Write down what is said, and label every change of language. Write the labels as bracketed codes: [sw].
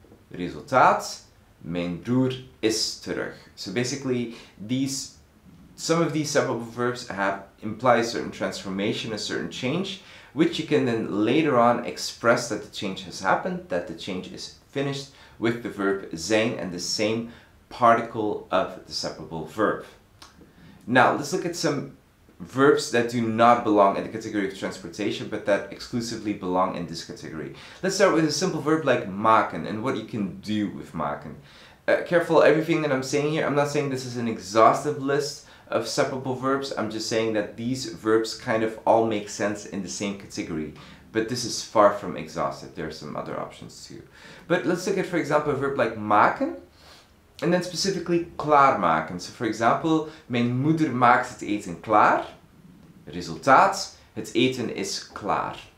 [nl] Resultaat, mijn broer is terug. [en] So basically, some of these separable verbs imply a certain transformation, a certain change, which you can then later on express that the change has happened, that the change is finished with the verb zijn and the same particle of the separable verb. Now, let's look at some verbs that do not belong in the category of transportation, but that exclusively belong in this category. Let's start with a simple verb like maken, and what you can do with maken. Careful, everything that I'm saying here, I'm not saying this is an exhaustive list of separable verbs, I'm just saying that these verbs kind of all make sense in the same category. But this is far from exhaustive, there are some other options too. But let's look at, for example, a verb like maken, and then specifically klaarmaken. So for example, [nl] mijn moeder maakt het eten klaar. Resultaat, het eten is klaar.